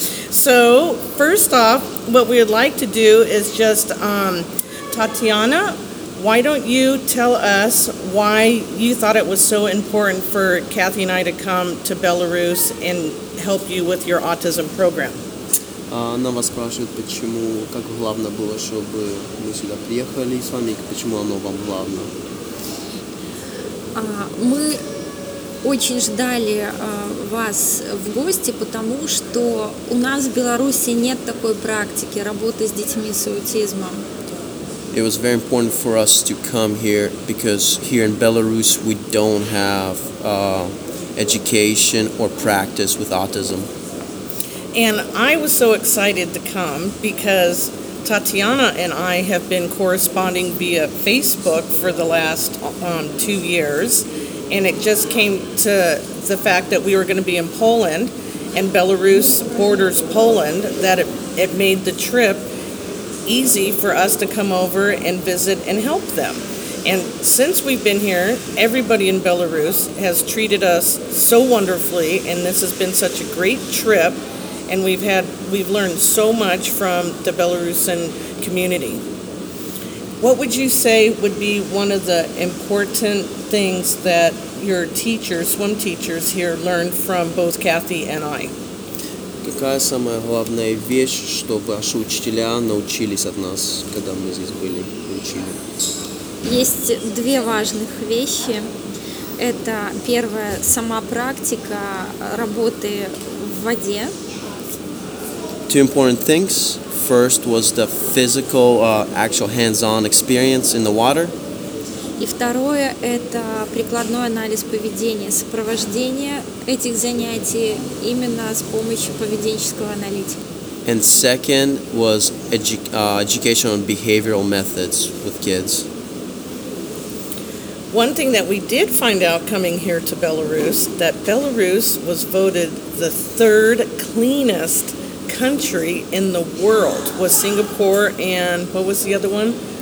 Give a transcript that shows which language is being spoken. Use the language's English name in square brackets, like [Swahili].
[English] So first off, what we would like to do is just, Tatiana, why don't you tell us why you thought it was so important for Kathy and I to come to Belarus and help you with your autism program? [Russian] Она вас спрашивает, почему, как главно было, чтобы мы сюда приехали с вами, почему оно вам главно? Мы очень ждали вас в гости, потому что у нас в Беларуси нет такой практики работы с детьми с аутизмом. [English] It was very important for us to come here, because here in Belarus we don't have education or practice with autism. And I was so excited to come because Tatiana and I have been corresponding via Facebook for the last 2 years. And it just came to the fact that we were going to be in Poland, and Belarus borders Poland, that it made the trip easy for us to come over and visit and help them. And since we've been here, everybody in Belarus has treated us so wonderfully, and this has been such a great trip. And we've learned so much from the Belarusian community. What would you say would be one of the important things that your teachers, swim teachers here, learned from both Kathy and I? [Russian] Какая самая главная вещь, что ваши учителя научились от нас, когда мы здесь были, учили? Есть две важных вещи. Это первая, сама практика работы в воде. [English] Two important things. First was the physical, actual hands-on experience in the water. [Russian] И второе – это прикладной анализ поведения, сопровождение этих занятий именно с помощью поведенческого аналитика. [English] And second was education on behavioral methods with kids. One thing that we did find out coming here to Belarus, that Belarus was voted the third cleanest country in the world, was Singapore, and what was the other one?